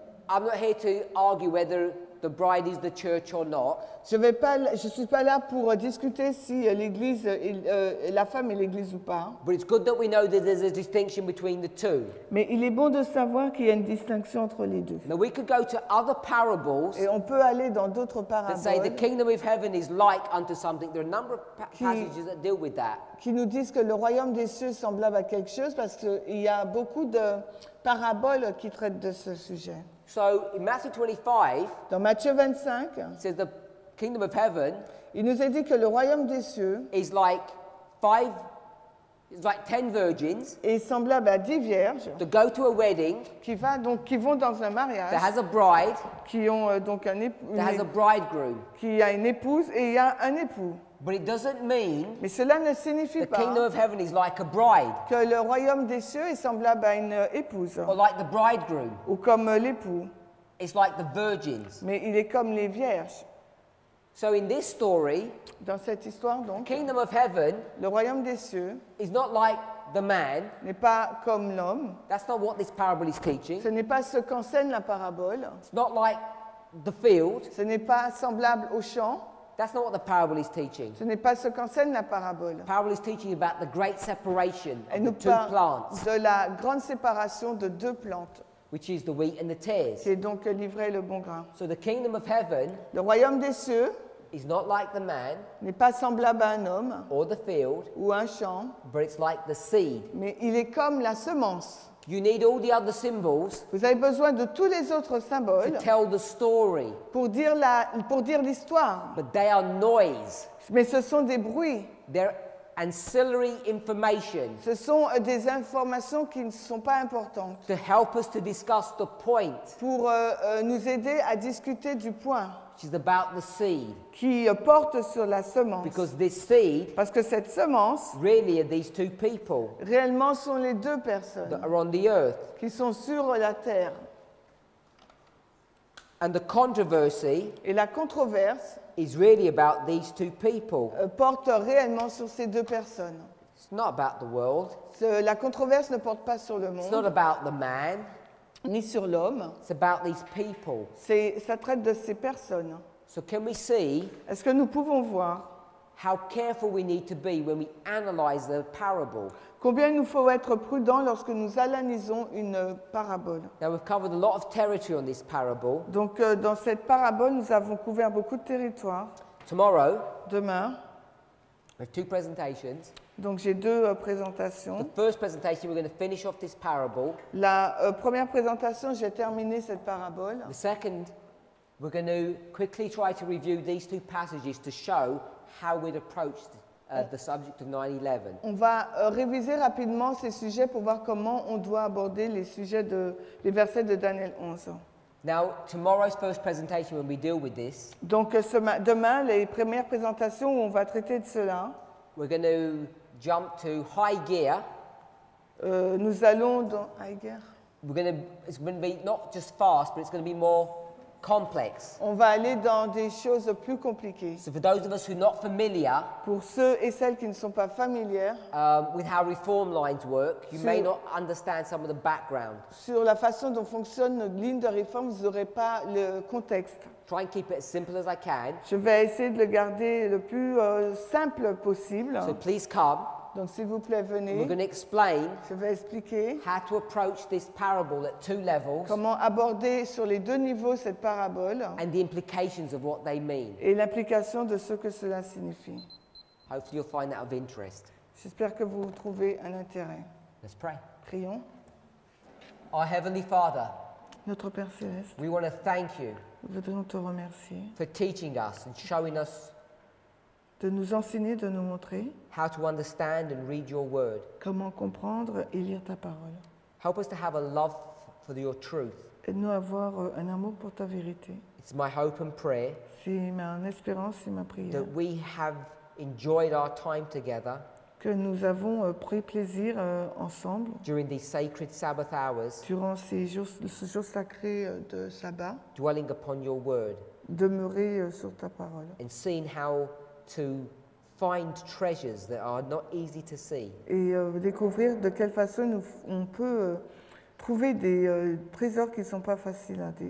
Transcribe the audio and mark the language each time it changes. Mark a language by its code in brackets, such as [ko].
[en] I'm not here to argue whether the bride is the church or not. [fr] Je suis pas là pour discuter si l'église la femme est l'église ou pas. [en] But it's good that we know that there's a distinction between the two. [fr] Mais il est bon de savoir qu'il y a une distinction entre les deux. [en] Now we could go to other parables. [fr] Et on peut aller dans d'autres paraboles. [en] That say the kingdom of heaven is like unto something. There are a number of passages that deal with that. [fr] Qui nous disent que le royaume des cieux est semblable à quelque chose parce qu'il y a beaucoup de paraboles qui traitent de ce sujet. [en] So in Matthew 25, [fr] dans Matthieu 25, [en] it says the kingdom of heaven, [fr] il nous a dit que le royaume des cieux [en] is like 5, it's like 10 virgins, [fr] est semblable à 10 vierges, [en] that go to a wedding, [fr] qui vont dans un mariage, [en] that has a bride, [fr] qui ont donc un [en] that has a bridegroom, [fr] qui a une épouse et il y a un époux. [en] But it doesn't mean [fr] Mais cela ne signifie [en] the [fr] pas [en] kingdom of heaven is like a bride. [fr] Que le royaume des cieux est semblable à une épouse. [en] Or like the bridegroom. [fr] Ou comme l'époux. [en] It's like the virgins. [fr] Mais il est comme les vierges. [en] So in this story, [fr] dans cette histoire donc, [en] the kingdom of heaven, [fr] le royaume des cieux, [en] is not like the man. [fr] N'est pas comme l'homme. [en] That's not what this parable is teaching. [fr] Ce n'est pas ce qu'enseigne la parabole. [en] It's not like the field. [fr] Ce n'est pas semblable au champ. [en] That's not what the parable is teaching. [fr] Ce n'est pas ce qu'enseigne la parabole. [en] The parable is teaching about the great separation of the two plants. [fr] De la grande séparation de deux plantes. [en] Which is the wheat and the tares. [fr] C'est donc l'ivraie et le bon grain. [en] So the kingdom of heaven, [fr] le royaume des cieux, [en] is not like the man, [fr] n'est pas semblable à un homme, [en] or the field, [fr] ou un champ, [en] but it's like the seed. [fr] Mais il est comme la semence. [en] You need all the other symbols. [fr] Vous avez besoin de tous les autres symboles. [en] To tell the story. [fr] Pour dire l'histoire. [en] But they are noise. [fr] Mais ce sont des bruits. [en] They're ancillary information. [fr] Ce sont des informations qui ne sont pas importantes. [en] To help us to discuss the point. [fr] Pour nous aider à discuter du point. [en] Which is about the seed. [fr] Qui porte sur la semence. [en] Because this seed, [fr] parce que cette semence, [en] really are these two people, [fr] réellement sont les deux personnes, [en] that are on the earth, [fr] qui sont sur la terre. [en] And the controversy, [fr] et la controverse, [en] is really about these two people, [fr] porte réellement sur ces deux personnes. [en] It's not about the world. [fr] La controverse ne porte pas sur le monde. [en] It's not about the man. [fr] Ni sur l'homme. [en] It's about these people. [fr] Ça traite de ces personnes. [en] So can we see? [fr] Est-ce que nous pouvons voir? [en] How careful we need to be when we analyze the parable. [fr] Combien nous faut être prudent lorsque nous analysons une parabole. [en] Now we've covered a lot of territory on this parable. [fr] Donc dans cette parabole nous avons couvert beaucoup de territoire. [en] Tomorrow. [fr] Demain. [en] We have two presentations. [fr] Donc j'ai deux présentations. [en] The first presentation, we're going to finish off this parable. [fr] La première présentation, j'ai terminé cette parabole. [en] The second, we're going to quickly try to review these two passages to show how we'd approached the subject of 9/11. [fr] On va réviser rapidement ces sujets pour voir comment on doit aborder les sujets de les versets de Daniel 11. [en] Now, tomorrow's first presentation when we deal with this. [fr] Donc demain les premières présentations où on va traiter de cela. [en] We're going to jump to high gear. [fr] Nous allons dans [en] high gear. It's going to be not just fast, but it's going to be more complex. [fr] On va aller dans des choses plus compliquées. [en] So for those of us who are not familiar, [fr] pour ceux et celles qui ne sont pas familières, [en] with how reform lines work, you may not understand some of the background. [fr] Sur la façon dont fonctionne une ligne de réforme, vous n'aurez pas le contexte. [en] Try and keep it as simple as I can. [fr] Je vais essayer de le garder le plus simple possible. [en] So please come. [fr] Donc s'il vous plaît venez. [en] We're going to explain. [fr] Je vais expliquer. [en] How to approach this parable at two levels. [fr] Comment aborder sur les deux niveaux cette parabole. [en] And the implications of what they mean. [fr] Et l'implication de ce que cela signifie. [en] Hopefully you'll find that of interest. [fr] J'espère que vous trouvez un intérêt. [en] Let's pray. [fr] Prions. [en] Our Heavenly Father. [fr] Notre Père Céleste. [en] We want to thank you. [fr] Nous voudrions te remercier [en] for teaching us and showing us [fr] de nous enseigner, de nous montrer [en] how to understand and read your word. [fr] Comment comprendre et lire ta parole. [en] Help us to have a love for your truth. [fr] Aide-nous à avoir un amour pour ta vérité. [en] It's my hope and prayer. [fr] C'est ma espérance et ma prière. [en] That we have enjoyed our time together. [fr] Que nous avons pris plaisir ensemble [en] during these sacred Sabbath hours, [fr] durant ces jours sacrés de sabbat, [en] dwelling upon your word, [fr] demeurer sur ta parole, [en] and seeing how to find treasures that are not easy to see, [fr] et découvrir de quelle façon on peut trouver des trésors qui ne sont pas faciles à avoir.